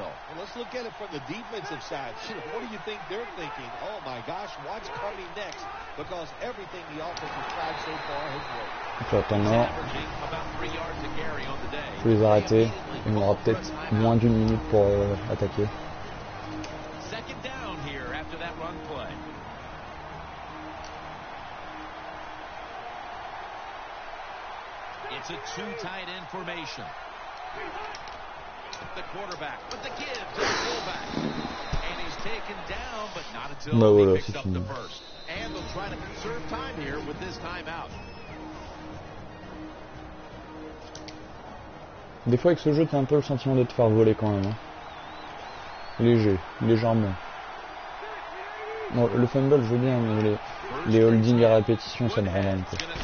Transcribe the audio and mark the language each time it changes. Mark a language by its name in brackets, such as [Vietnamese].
[English] Well, let's look at it from the defensive side. What do you think they're thinking? Oh my gosh, what's coming next? Because everything the offense has tried so far has worked. He's averaging about 3 yards a carry on the day. [French] Je vais les arrêter. Il m'aura peut-être moins d'une minute pour attaquer. [English] Second down here after that run play. It's a two tight end formation. The quarterback with the give to the fullback. And he's taken down, but not until he picks up the first. And they'll try to conserve time here with this timeout. [French] Des fois, avec ce jeu, t'as un peu le sentiment de te faire voler quand même. Hein. Léger, légèrement. Bon, le fumble, je veux bien, mais les holdings à répétition, ça me rend rien. Quoi.